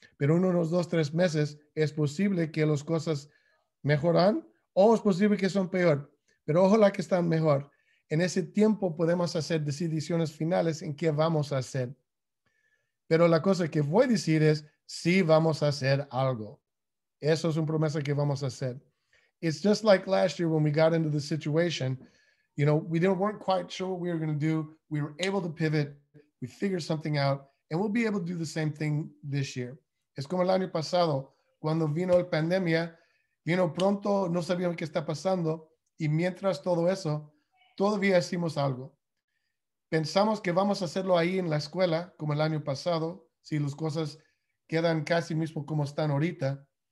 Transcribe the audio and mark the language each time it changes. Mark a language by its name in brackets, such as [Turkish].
[Spanish] Pero en unos 2-3 meses es posible que las cosas mejoran o es posible que son peor. Pero ojalá que están mejor. En ese tiempo podemos hacer decisiones finales en qué vamos a hacer. Pero la cosa que voy a decir es sí vamos a hacer algo. Eso es una promesa que vamos a hacer. [English] It's just like last year when we got into the situation. You know, we weren't quite sure what we were going to do. We were able to pivot. We figured something out. And we'll be able to do the same thing this year. [Spanish] Es como el año pasado, cuando vino la pandemia, vino pronto, no sabíamos qué está pasando. Y mientras todo eso, todavía hicimos algo. Pensamos que vamos a hacerlo ahí en la escuela, como el año pasado, si las cosas quedan casi mismo como están ahorita.